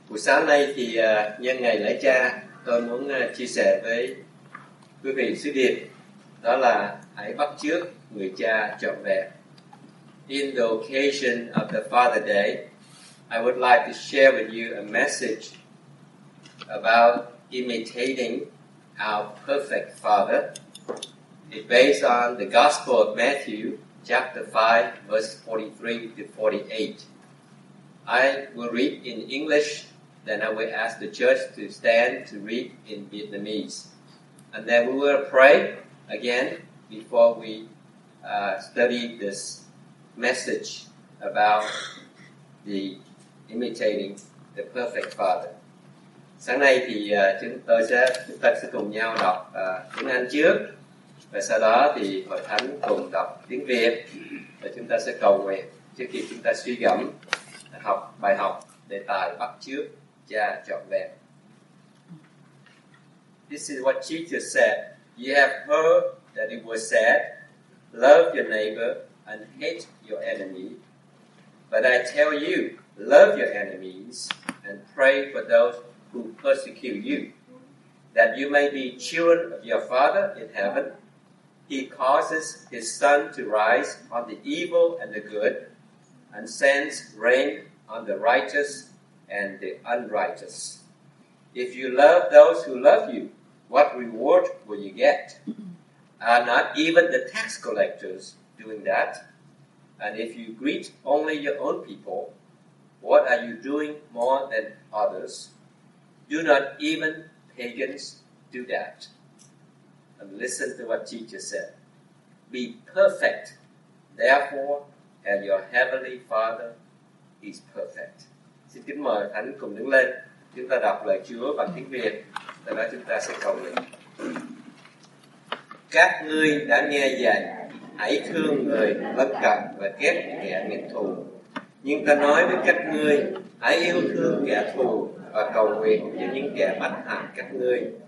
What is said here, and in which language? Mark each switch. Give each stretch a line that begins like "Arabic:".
Vietnamese: Buổi sáng nay thì nhân ngày lễ cha, tôi muốn chia sẻ với quý vị sứ điệp, đó là hãy bắt chước người cha trọn vẹn.
English: In the occasion of the Father Day, I would like to share with you a message about imitating our perfect Father. It's based on the Gospel of Matthew, chapter 5, verse 43-48. I will read in English, then I will ask the church to stand to read in Vietnamese. And then we will pray again before we study this message about the imitating the perfect Father.
Vietnamese: Sáng nay thì chúng ta sẽ cùng nhau đọc tiếng Anh trước. Và sau đó thì Hội Thánh cùng đọc tiếng Việt. Và chúng ta sẽ cầu nguyện trước khi chúng ta suy gẫm học bài học đề tài bắt chước cha trọn vẹn.
English: This is what Jesus said. You have heard that it was said, love your neighbor and hate your enemy. But I tell you, love your enemies and pray for those who persecute you, that you may be children of your Father in heaven. He causes his sun to rise on the evil and the good, and sends rain on the righteous and the unrighteous. If you love those who love you, what reward will you get? Are not even the tax collectors doing that? And if you greet only your own people, what are you doing more than others? Do not even pagans do that? And listen to what Jesus said. Be perfect, therefore, and your heavenly Father is perfect.
Vietnamese: Xin kính mời Thánh cùng đứng lên. Chúng ta đọc lời Chúa bằng tiếng Việt. Sau đó chúng ta sẽ cầu nguyện. Các ngươi đã nghe dạy, hãy thương người bất cận và ghét kẻ nghịch thù. Nhưng ta nói với các ngươi, hãy yêu thương kẻ thù và cầu nguyện cho những kẻ bắt hại các ngươi.